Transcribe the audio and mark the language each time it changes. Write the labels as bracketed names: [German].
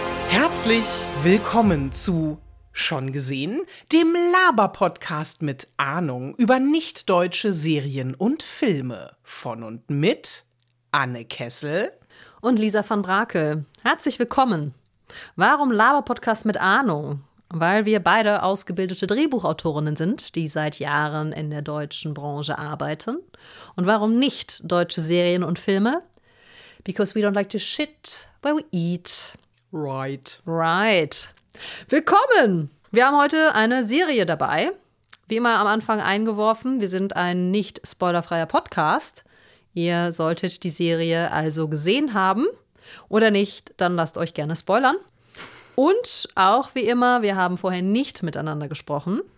[German] Herzlich willkommen zu Schon gesehen, dem Laber-Podcast mit Ahnung über nicht-deutsche Serien und Filme von und mit Anne Kessel und Lisa van Brakel. Herzlich willkommen. Warum Laber-Podcast mit Ahnung? Weil wir beide ausgebildete Drehbuchautorinnen sind, die seit Jahren in der deutschen Branche arbeiten. Und warum nicht deutsche Serien und Filme? [English] Because we don't like to shit where we eat. Right. Right. [German] Willkommen! Wir haben heute eine Serie dabei. Wie immer am Anfang eingeworfen, wir sind ein nicht spoilerfreier Podcast. Ihr solltet die Serie also gesehen haben. Oder nicht, dann lasst euch gerne spoilern. Und auch wie immer, wir haben vorher nicht miteinander gesprochen.